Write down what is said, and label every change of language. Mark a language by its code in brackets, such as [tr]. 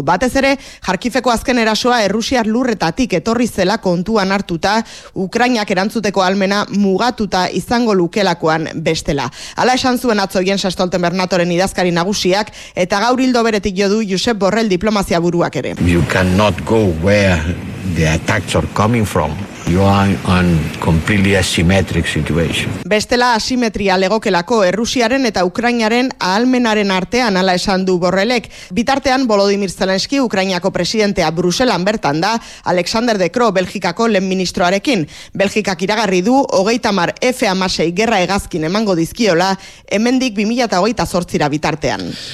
[eu] Batez ere, Jarkifeko azken erasoa Errusiar lurretatik etorri zela kontuan hartuta, Ukrainak erantzuteko almena mugatuta izango lukelakoan bestela. Hala esan zuen atzo Jens Stoltenberg-NATOren idazkari nagusiak eta gaur hildo beretik jo du Josep Borrell diplomazia buruak ere. [en] You cannot go where the attacks are coming from. You are on completely asymmetric situation. [eu] Bestela asimetria legokelako Errusiaren eta Ukrainaren ahalmenaren artean, hala esan du Borrellek. Bitartean Volodymyr Zelensky Ukrainako presidentea Bruselan bertan da Alexander De Croo Belgikako lehen ministroarekin. Belgikak iragarri du 30 F-16 gerra hegazkin emango dizkiola hemendik 2028ra bitartean.